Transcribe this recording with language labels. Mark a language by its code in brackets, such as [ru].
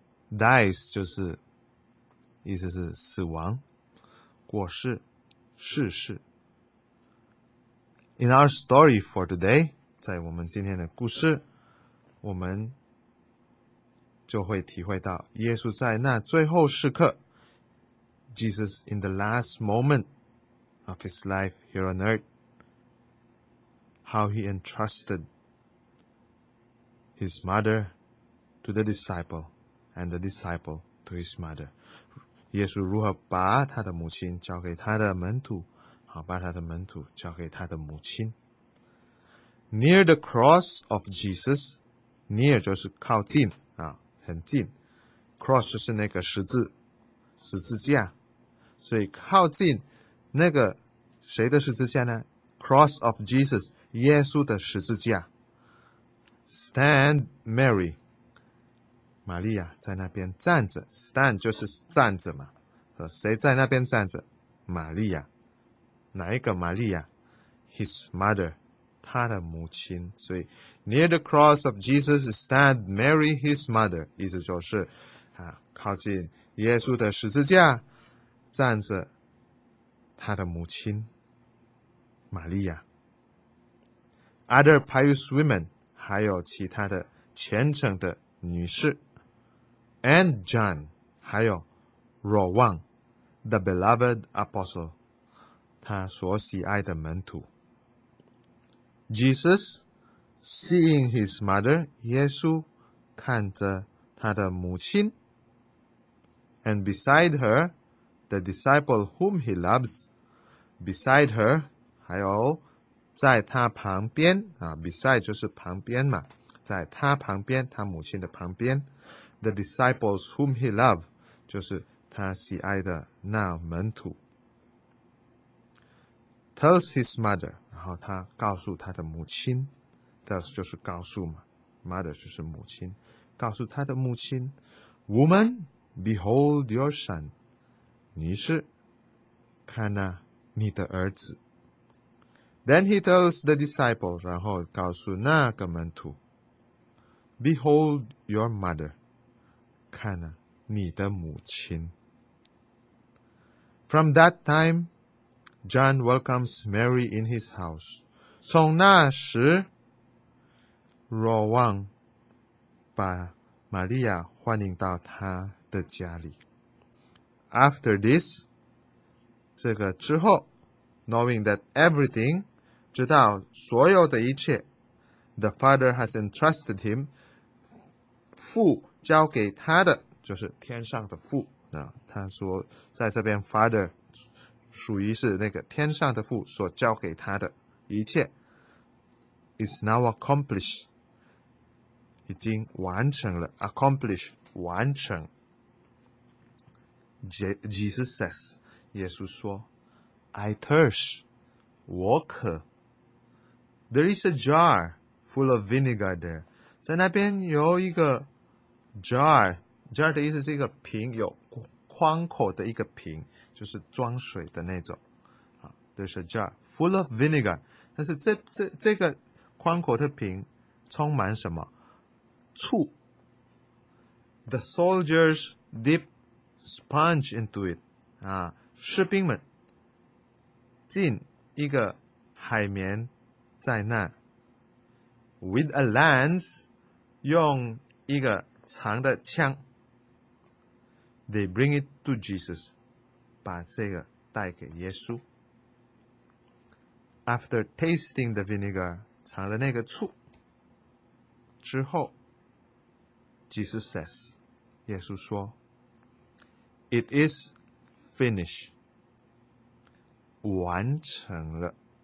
[zh] Dies 就是意思是死亡，过世，逝世。 [en] In our story for today, [zh] 在我们今天的故事，我们就会体会到耶稣在那最后时刻 [en] ，Jesus in the last moment of his life here on earth, how he entrusted his mother to the disciple. And the disciple to his mother. [zh] 耶稣如何把他的母亲交给他的门徒，好，把他的门徒交给他的母亲。 [en] Near the cross of Jesus, near [zh] 就是靠近啊，很近。 Cross 就是那个十字，十字架。所以靠近那个谁的十字架呢 ？ [en] Cross of Jesus, [zh] 耶稣的十字架。 [en] Stand Mary. [zh] 玛利亚在那边站着 ，stand 就是站着嘛。谁在那边站着？玛利亚，哪一个玛利亚 ？ [en] His mother， [zh] 他的母亲。所以 ， [en] near the cross of Jesus stand Mary, his mother， [zh] 意思就是啊，靠近耶稣的十字架站着他的母亲玛利亚。 [en] Other pious women， [zh] 还有其他的虔诚的女士。 [en] And John, [zh] 还有若望 [en] the beloved apostle, [zh] 他所喜爱的门徒。 [en] Jesus, seeing his mother, [zh] 耶稣看着他的母亲。 [en] And beside her, the disciple whom he loves, beside her, [zh] 还有在他旁边、啊、beside 就是旁边嘛，在他旁边，他母亲的旁边。 [en] The disciples whom he loved, [zh] 就是他喜爱的那门徒。 [en] Tells his mother, [zh] 然后他告诉他的母亲。 Tells 就是告诉嘛。Mother 就是母亲。告诉他的母亲。 [en] Woman, behold your son. [zh] 女士，看啊，你的儿子。 [en] Then he tells the disciples, [zh] 然后告诉那个门徒。 [en] Behold your mother. [zh] 看啊，你的母亲。 [en] From that time, John welcomes Mary in his house. [zh] 从那时 ，Rowan 把玛利亚欢迎到他的家里。 [en] After this, [zh] 这个之后 [en] ，knowing that everything, [zh] 知道所有的一切 [en] ，the Father has entrusted him, [zh] 父交给他的就是天上的父。那他说在这边 Father 属于是那个天上的父所交给他的一切 [en] is now accomplished, [zh] 已经完成了 accomplish 完成。 [en] Jesus says, [zh] 耶稣说 [en] I thirst, [zh] 我渴。 [en] There is a jar full of vinegar there, [zh] 在那边有一个 jar 的意思是一个瓶，有宽口的一个瓶，就是装水的那种。 [en] There's a jar full of vinegar. [zh] 但是这个宽口的瓶充满什么？醋。 [en] The soldiers dip sponge into it. [zh] 士兵们浸一个海绵在那。 [en] With a lance, [zh] 用一个长的枪。 [en] They bring it to Jesus, [zh] 把这个带给耶稣。 [en] After tasting the vinegar, [zh] 尝了那个醋之后， [en] Jesus says, [zh] 耶稣说， [en] It is finished, [zh] 完成了。